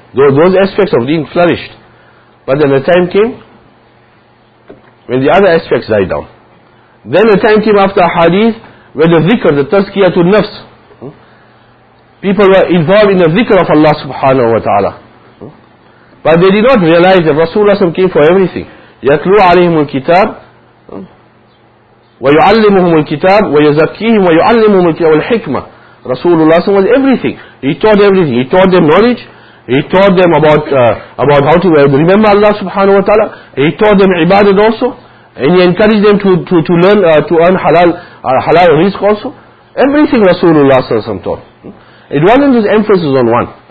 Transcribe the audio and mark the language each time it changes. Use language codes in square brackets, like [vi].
[en] Those aspects of deen flourished. But then the time came when the other aspects died down. Then the time came after hadith where the dhikr, the tazkiyatul nafs, people were involved in the dhikr of Allah subhanahu wa ta'ala. But they did not realize that Rasulullah SAW came for everything. [ar] يَتْلُوا عَلَيْهِمُ الْكِتَابِ وَيُعَلِّمُهُمُ الْكِتَابِ وَيَزَكِّيهِمْ وَيُعَلِّمُهُمُ الْكِتَابِ وَالْحِكْمَةِ [en] Rasulullah SAW was everything. He taught everything. He taught them knowledge. He taught them about how to remember Allah subhanahu wa ta'ala. He taught them ibadah also. And he encouraged them to learn, to earn halal risk also. Everything Rasulullah SAW taught. It wasn't just emphasis on one.